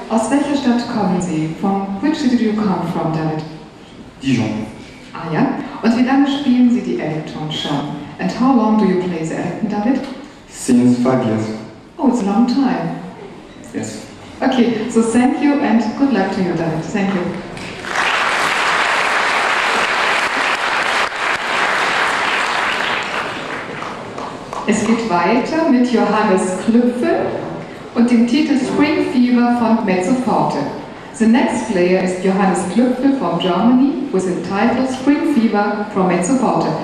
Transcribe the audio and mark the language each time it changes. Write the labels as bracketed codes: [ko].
[de] welcher Stadt kommen Sie? [en] From which city do you come from, David? Dijon. [de] Ah ja? Und wie lange spielen Sie die Elton schon? [en] And how long do you play the Elton, David? Since 5 years. Oh, it's a long time. Yes. Okay, so thank you and good luck to you, David. Thank you. [de] Es geht weiter mit Johannes Klüpfel und dem Titel Spring Fever von Mezzoforte. [en] The next player is Johannes Klüpfel from Germany with the title Spring Fever from Mezzoforte.